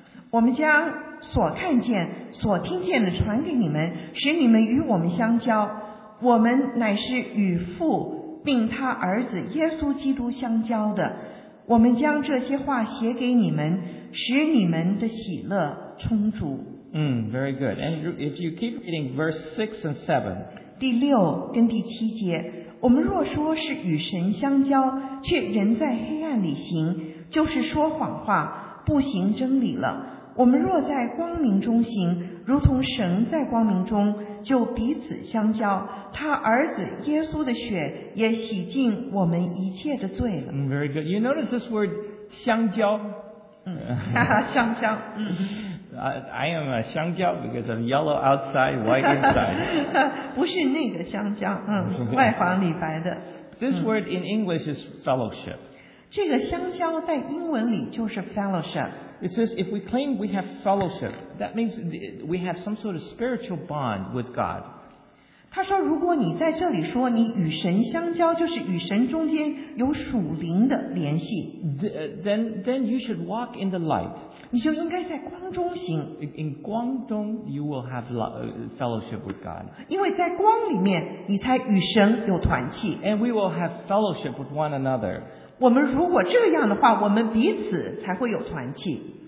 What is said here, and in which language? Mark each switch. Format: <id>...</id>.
<zh>我们将所看见、所听见的传给你们，使你们与我们相交。我们乃是与父并他儿子耶稣基督相交的，我们将这些话写给你们，使你们的喜乐充足。</zh> <en>Very good. And if you keep reading verse 6 and 7.</en> <zh>第六跟第七节，我们若说是与神相交，却仍在黑暗里行，就是说谎话，不行真理了。我们若在光明中行，如同神在光明中，就彼此相交。他儿子耶稣的血也洗净我们一切的罪了。</zh> <en>Very good. You notice this word, 相交。</en> <zh>香蕉。</zh> <en>I am a 香蕉 because I'm yellow outside, white inside.</en> <zh>不是那个香蕉，外黄里白的。</zh> <en>This word in English is fellowship.</en> <zh>这个香蕉在英文里就是 fellowship.</zh> <en>It says if we claim we have fellowship, that means we have some sort of spiritual bond with God.</en> <zh>他说如果你在这里说你与神相交，就是与神中间有属灵的联系。</zh> <en>Then you should walk in the light.</en> <zh>你就应该在光中行。</zh> <en>In</en> <zh>光中</zh> <en>you will have fellowship with God.</en> <zh>因为在光里面你才与神有团契。</zh> <en>And we will have fellowship with one another.</en> <zh>我们如果这样的话，我们彼此才会有团契。</zh>